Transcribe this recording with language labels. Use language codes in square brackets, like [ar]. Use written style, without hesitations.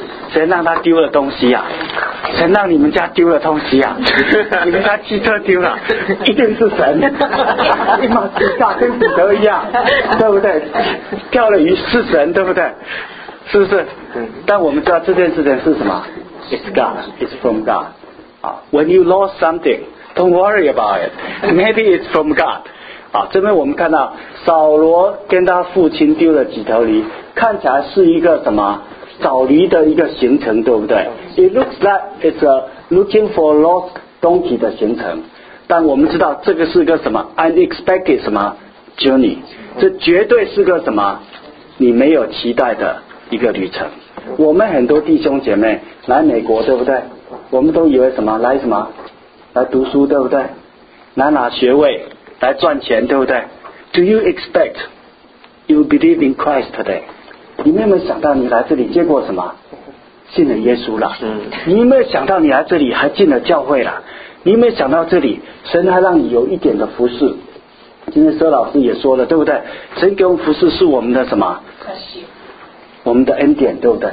[zh] 神让他丢了东西啊，神让你们家丢了东西啊，你们家汽车丢了，一定是神，一马之下跟彼得一样，对不对？掉了鱼是神，对不对？是不是？但我们知道这件事情是什么？ [en] It's God, it's from God. When you lost something, don't worry about it. Maybe it's from God. [zh] 啊，这边我们看到扫罗跟他父亲丢了几条驴，看起来是一个什么找驴的一个行程，对不对？ [en] It looks like it's a looking for lost donkey [zh] 的行程，但我们知道这个是个什么 unexpected 什么 journey， 这绝对是个什么你没有期待的一个旅程。我们很多弟兄姐妹来美国，对不对？我们都以为什么来什么来读书，对不对？来拿学位来赚钱，对不对？ [en] Do you expect you believe in Christ today? [zh] 你们有没有想到你来这里见过什么？信了耶稣了。你有没有想到你来这里还进了教会了？你有没有想到这里神还让你有一点的服侍？今天佘老师也说了，对不对？神给我们服侍是我们的什么？我们的恩典，对不对？